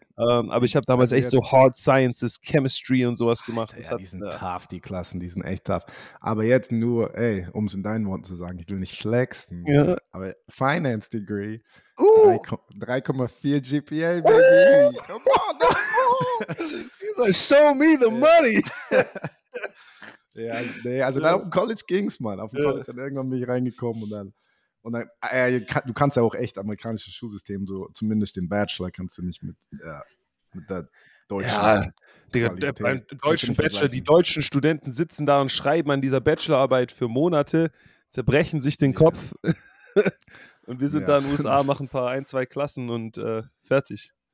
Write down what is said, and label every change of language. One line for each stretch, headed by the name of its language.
German: Aber ich habe damals echt so Hard Sciences, Chemistry und sowas gemacht. Alter, die Klassen, die sind echt tough. Aber jetzt nur, ey, um es in deinen Worten zu sagen, ich will nicht flexen, aber Finance Degree, 3,4 GPA, baby.
English: Come on. He's like, show me the money.
German: Ja, nee, also dann auf dem College ging's, Mann. Auf dem College dann irgendwann bin ich reingekommen du kannst ja auch echt amerikanisches Schulsystem, so zumindest den Bachelor kannst du nicht mit der deutschen. Ja, beim deutschen Bachelor, die deutschen Studenten sitzen da und schreiben an dieser Bachelorarbeit für Monate, zerbrechen sich den Kopf und wir sind da in den USA, machen ein, zwei Klassen und fertig.